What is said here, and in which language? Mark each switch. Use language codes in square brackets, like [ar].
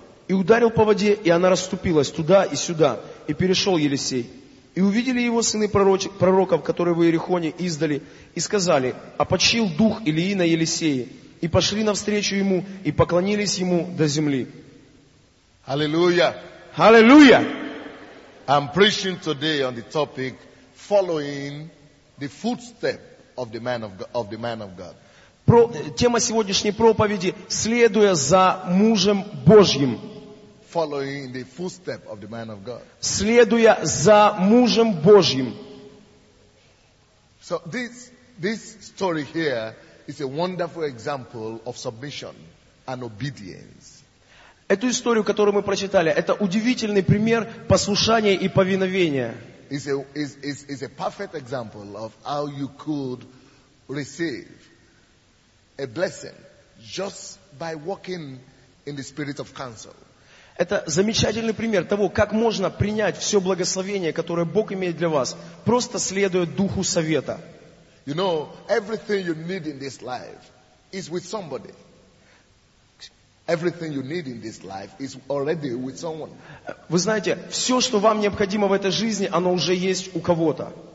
[ru] И ударил по воде, и она расступилась туда и сюда, и перешел Елисей. И увидели его сыны пророков, которые в Иерихоне издали, и сказали: «Опочил дух Илии на Елисее». И пошли навстречу ему, и поклонились ему до земли. Аллилуйя! Аллилуйя! [en] I'm preaching today on the topic following the footsteps of the man of God, of the man of God. [ru] Тема сегодняшней проповеди — следуя за мужем Божьим. [en] Following the footstep of the man of God. [ru] Следуя за мужем Божьим. [en] So this story here is a wonderful example of submission and obedience. [ru] Эту историю, которую мы прочитали, это удивительный пример послушания и повиновения. [en] It's a perfect example of how you could receive a blessing just by walking in the spirit of counsel. [ru] Это замечательный пример того, как можно принять все благословение, которое Бог имеет для вас, просто следуя духу совета. [en] You know, everything you need in this life is with somebody. Everything you need in this life is already with someone. [ru] Вы знаете, все, что вам необходимо в этой жизни, оно уже есть у кого-то.